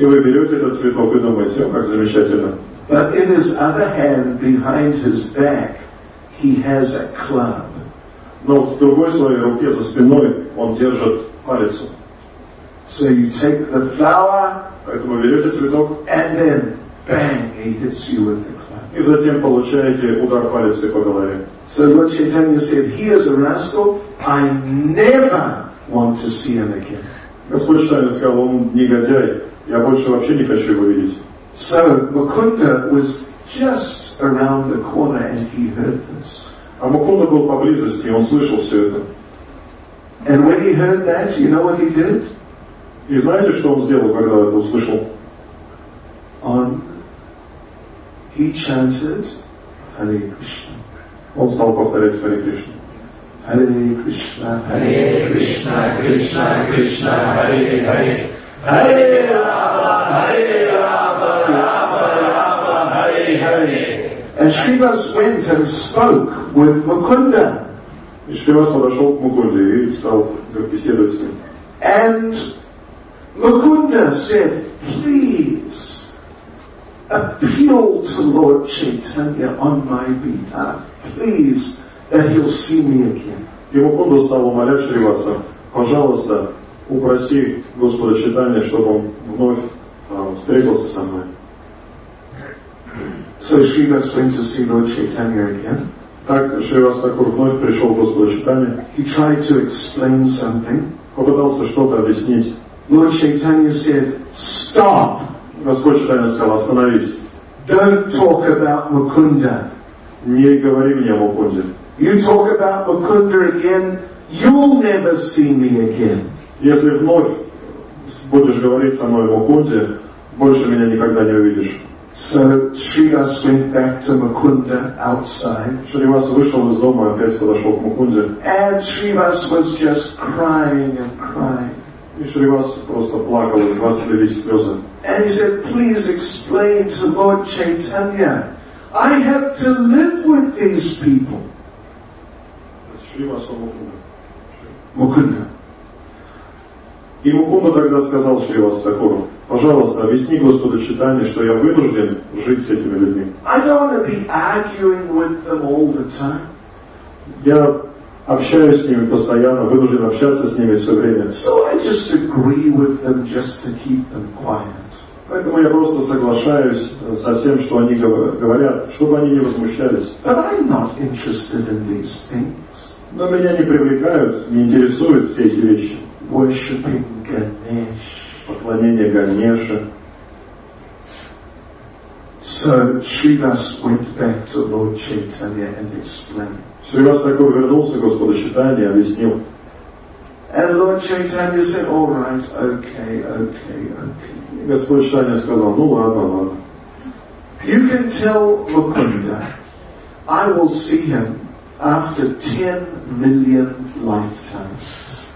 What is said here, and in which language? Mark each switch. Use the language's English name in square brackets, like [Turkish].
[Russian] И вы берете этот цветок и думаете, о, как замечательно. [English] But in his other hand, behind his back, he has a club. [Russian] Но в другой своей руке, за спиной, он держит палец. [English] So you take the flower. [Russian] Поэтому берете цветок, [English] and then, bang, he hits you with the club. [Russian] И затем получаете удар пальцем по голове. [English] So Lord Chaitanya said, he is a rascal, I never want to see him again. [Russian] Господь Читания сказал, он негодяй, я больше вообще не хочу его видеть. [English] So Mukunda was just around the corner and he heard this. [Russian] А Мукунда был поблизости, он слышал все это. [English] And when he heard that, you know what he did? [Russian] И знаете, что он сделал, когда это услышал? [English] He chanted Hare Krishna. [Russian] Он стал повторять Hare Krishna. [Sanskrit] Hare Krishna, Hare Krishna, Krishna Krishna, Hare Hare. Hare Rama, Hare Rama, Rama Rama, Hare Hare. [English] And Shrivas went and spoke with Mukunda. [Russian] И Шривас подошел к Мукунде и стал беседовать с ним. [English] And Mukunda said, please appeal to Lord Chaitanya on my behalf, please, that he'll see me again. [Russian] И Мукунда стал умолять Шриваса, пожалуйста, упроси Господа Читания, чтобы он вновь встретился со мной. [English] So Shrivas went to see Lord Chaitanya again. [Russian] Так, еще раз так вновь пришел после читания. [English] He tried to explain something. [Russian] Попытался что-то объяснить. [English] Lord Chaitanya said, stop. [Russian] Господь Читания сказал, остановись. [English] Don't talk about Mukunda. [Russian] Не говори мне о Мукунде. [English] You talk about Mukunda again, you'll never see me again. [Russian] Если вновь будешь говорить со мной о Мукунде, больше меня никогда не увидишь. [English] So Shrivas went back to Mukunda outside. [Russian] Shrivas вышел из дома и опять подошел к Мукунде. [English] And Shrivas was just crying and crying. [Russian] И Шривас просто плакал, из глаз лились слезы. [English] And he said, please explain to Lord Chaitanya, I have to live with these people. [Russian] Шривас Мукунда. И Мукунда тогда сказал Шривас Сакуру, пожалуйста, объясни Господу Читанья, что я вынужден жить с этими людьми. [English] I don't want to be arguing with them all the time. [Russian] Я общаюсь с ними постоянно, вынужден общаться с ними все время. [English] So I just agree with them just to keep them quiet. [Russian] Поэтому я просто соглашаюсь со всем, что они говорят, чтобы они не возмущались. [English] But I'm not interested in these things. [Russian] Но меня не привлекают, не интересуют все эти вещи. [English] Worshiping Ganesh. [Russian] Поклонение Ганеше. [English] So Shrivas went back to Lord Chaitanya and explained. [Russian] Шривас Такур вернулся к Господу Читанья и объяснил. [English] And Lord Chaitanya said, all right, okay, okay, okay. [Russian] Господь Читанья сказал, ну ладно, ладно. [English] You can tell Mukunda, I will see him after 10 million lifetimes.